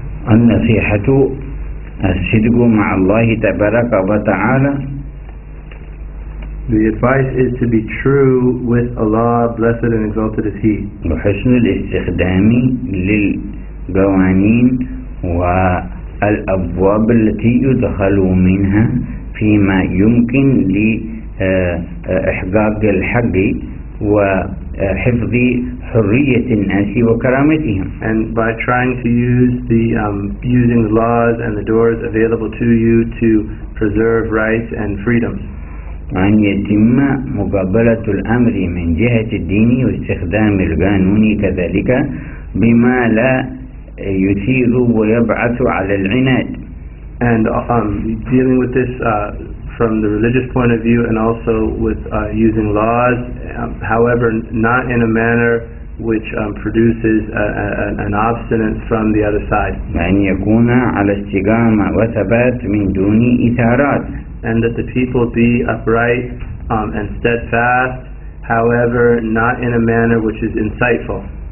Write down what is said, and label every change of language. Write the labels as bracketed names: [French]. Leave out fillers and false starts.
[Arabic] النصيحة الصدق مع الله تبارك وتعالى. [English] The advice is to be true with Allah, blessed and exalted is He. [Arabic] وحسن الاستخدام للقوانين والأبواب التي يدخل منها فيما يمكن لإحقاق الحق وحفظ حرية الناس وكرامتهم. [English] And by trying to use the using the laws and the doors available to you to preserve rights and freedoms. [Arabic] أن يتم مقابلة الأمر من جهة الدين واستخدام القانون كذلك بما لا يثير ويبعث على العناد. [English] And dealing with this from the religious point of view and also with using laws, however not in a manner which produces an obstinance from the other side. [Arabic] أن يكون على استقامة وثبات من دون إثارات. [English] And that the people be upright and steadfast, however, not in a manner which is insightful.